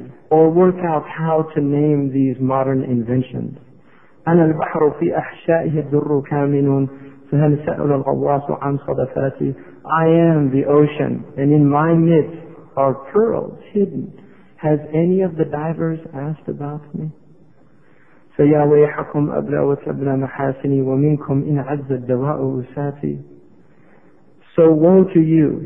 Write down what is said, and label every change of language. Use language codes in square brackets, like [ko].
[en] Or work out how to name these modern inventions. [ar] أنا البحر في أحشائه الدر كامن فهل سأل الغواص عن صدفاتي. [en] I am the ocean, and in my midst are pearls hidden. Has any of the divers asked about me? [ar] فَيَا وَيْحَكُمْ أَبْلَى وَتَبْلَى مَحَاسِنِي وَمِنْكُمْ إِنْ عَزَّ الدَّوَاءُ وُسَافِي. [en] So woe to you.